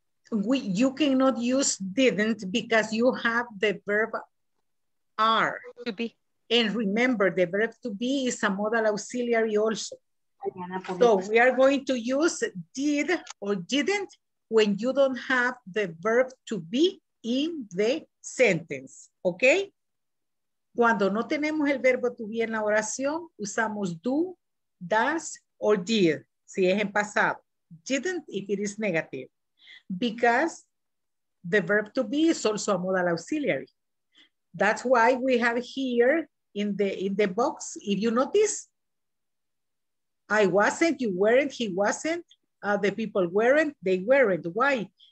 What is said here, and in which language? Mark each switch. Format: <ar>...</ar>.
<en>You cannot use didn't because you have the verb are. To be. And remember, the verb to be is a modal auxiliary also. So we are going to use did or didn't when you don't have the verb to be in the sentence, okay?</en> <es>Cuando no tenemos el verbo to be en la oración, usamos do, does, or did, si es en pasado.</es> <en>Didn't if it is negative. Because the verb to be is also a modal auxiliary. That's why we have here in the box, if you notice, I wasn't, you weren't, he wasn't, the people weren't, they weren't. Why?</en>